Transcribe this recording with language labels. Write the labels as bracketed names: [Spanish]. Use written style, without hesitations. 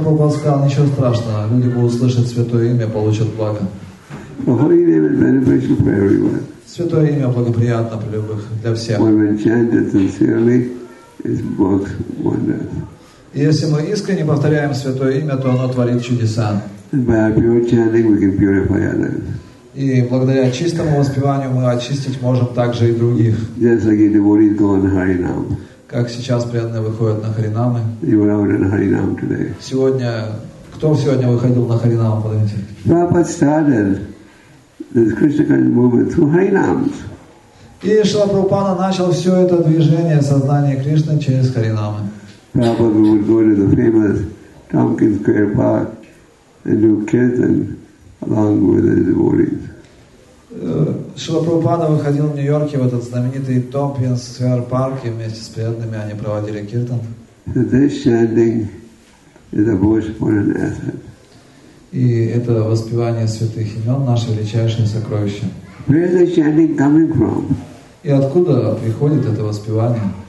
[Russian] Прабхупада сказал: ничего страшного, люди будут слышать святое имя, получат благо. [English] The holy name is beneficial for everyone. [Russian] Святое имя благоприятно для любых, для всех. [English] When we chant it sincerely, it works wonders. [Russian] Если мы искренне повторяем святое имя, то оно творит чудеса. [English] And by our pure chanting, we can purify others. [Russian] И благодаря чистому воспеванию мы очистить можем также и других. [English] Just like the devotees go on Harinam. [Russian] Как сейчас преданные выходят на Харинамы. [English] You were out on Harinam today. [Russian] Сегодня, кто сегодня выходил на Харинам, подумайте. [English] Prabhupada started this Krishna consciousness movement through Harinams. [Russian] И Шрила Прабхупада начал все это движение сознания Кришны через Харинамы. [English] Prabhupada would go to the famous Tompkins Square Park and do kirtan along with his devotees. [Russian] Шрила Прабхупада выходил в Нью-Йорке в этот знаменитый Tompkins Square Park и вместе с преданными они проводили киртан. [English] So this chanting is a most important asset. [Russian] И это воспевание святых имен — наше величайшее сокровище. [English] Where is the chanting coming from? [Russian] И откуда приходит это воспевание?